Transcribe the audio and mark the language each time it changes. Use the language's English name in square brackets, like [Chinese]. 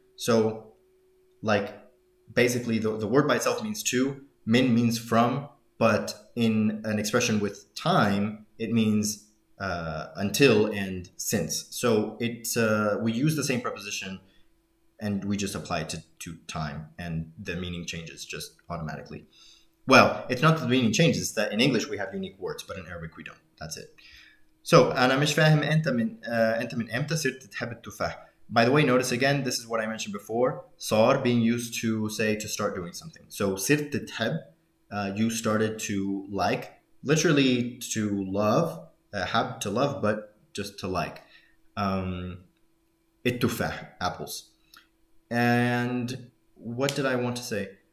[English] So like basically the word by itself means to, min means from, but in an expression with time it means until and since. So it's we use the same preposition and we just apply it to time, and the meaning changes just automatically. Well, it's not that the meaning changes, it's that in English we have unique words, but in Arabic we don't. That's it. [Arabic] So, أنا مش فاهم أنت من أمتى صرت تحب التفاح. [English] By the way, notice again, this is what I mentioned before. صار being used to say to start doing something. So, [Arabic] صرت تحب, [English] you started to like, literally to love, حب, to love, but just to like. التفاح, apples. And what did I want to say?